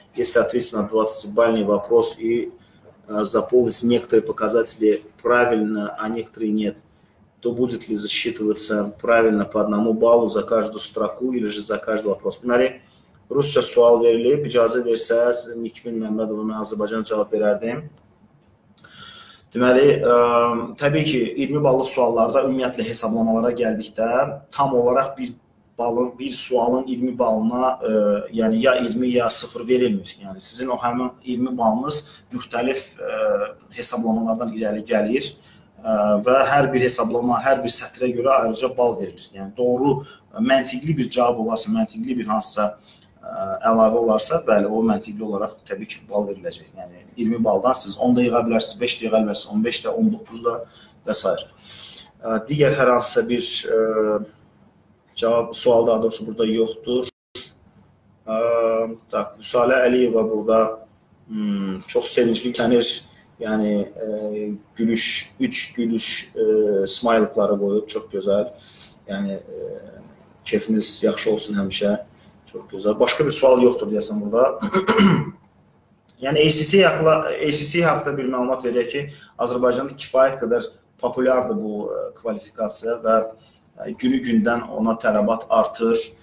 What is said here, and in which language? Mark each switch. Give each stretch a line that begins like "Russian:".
Russian: Если ответить на 20 бальный вопрос и заполнить некоторые показатели правильно, а некоторые нет, то будет ли засчитываться правильно по одному баллу за каждую строку или же за каждый вопрос?
Azerbaijani: Deməli, rusca sual verilib, icazə versəz, Nikbin Məmmədovun Azərbaycanca cavab verərdim. Deməli, təbii ki, 20 ballıq suallarda ümumiyyətlə hesablamalara gəldikdə tam olaraq bir sualın 20 balına, yəni ya 20 ya 0 verilmir. Yəni sizin o həmin 20 balınız müxtəlif hesablamalardan irəli gəlir və hər bir hesablama, hər bir sətrə görə ayrıca bal verilir. Yəni doğru, məntiqli bir cavab olarsa, məntiqli bir hansısa əlavə olarsa, bəli, o məntiqli olaraq təbii ki, bal veriləcək. Yəni 20 baldan siz 10 da yığa bilərsiniz, 5 də yığa bilərsiniz, 15 də, 19 da və s. Digər hər hansısa bir cavab, sual daha doğrusu burada yoxdur. Tak, Vüsalə Əliyeva burada çox sevincli sənir, yəni gülüş, 3 gülüş smiley-ları qoyub, çox gözəl. Yəni kefiniz yaxşı olsun həmişə. Çox gözəl. Başqa bir sual yoxdur deyəsən burada. Yəni ACC haqda bir məlumat verir ki, Azərbaycanda kifayət qədər populyardır bu kvalifikasiya və günü gündən ona tələbat artır.